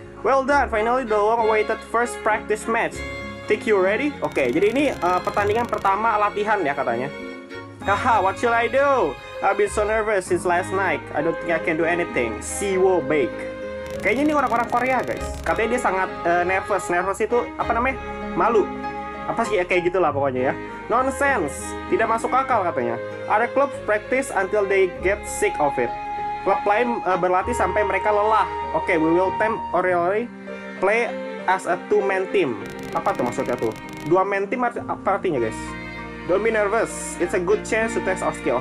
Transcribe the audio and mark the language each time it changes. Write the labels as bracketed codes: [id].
[en] Well done, finally the long awaited first practice match. Think you ready? [id] Oke, okay, jadi ini pertandingan pertama latihan ya katanya. [en] Haha, what shall I do? I've been so nervous since last night. I don't think I can do anything. Siwo bake. [id] Kayaknya ini orang-orang Korea, guys. Katanya dia sangat nervous. Nervous itu apa namanya? Malu. Apa sih kayak gitulah pokoknya ya. Nonsense. Tidak masuk akal katanya. [en] Other clubs practice until they get sick of it. [id] Klub lain berlatih sampai mereka lelah. Oke, okay, [en] we will temporarily play as a two-man team. [id] Apa tuh maksudnya tuh? Dua man team apa artinya, guys? [en] Don't be nervous. It's a good chance to test our skill.